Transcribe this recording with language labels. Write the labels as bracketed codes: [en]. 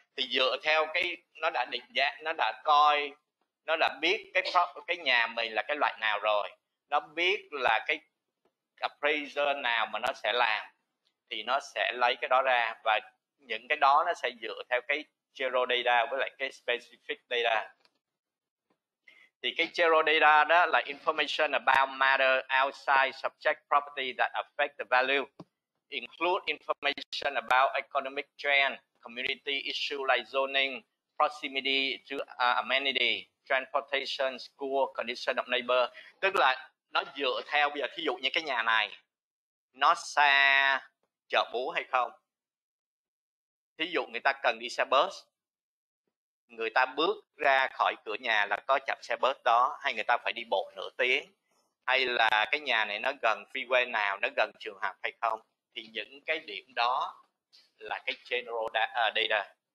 [vi] Thì dựa theo cái nó đã định giá, nó đã coi, nó đã biết cái nhà mình là cái loại nào rồi, nó biết là cái appraiser nào mà nó sẽ làm, thì nó sẽ lấy cái đó ra và những cái đó nó sẽ dựa theo cái general data với lại cái specific data. Thì cái general data đó là [en] information about matter outside subject property that affect the value, include information about economic trend, community issue like zoning, proximity to amenity, transportation, school, condition of neighbor. [vi] Tức là nó dựa theo, bây giờ thí dụ như cái nhà này nó xa chợ búa hay không, thí dụ người ta cần đi xe bus, người ta bước ra khỏi cửa nhà là có chặp xe bus đó, hay người ta phải đi bộ nửa tiếng, hay là cái nhà này nó gần freeway nào, nó gần trường học hay không, thì những cái điểm đó là cái general data.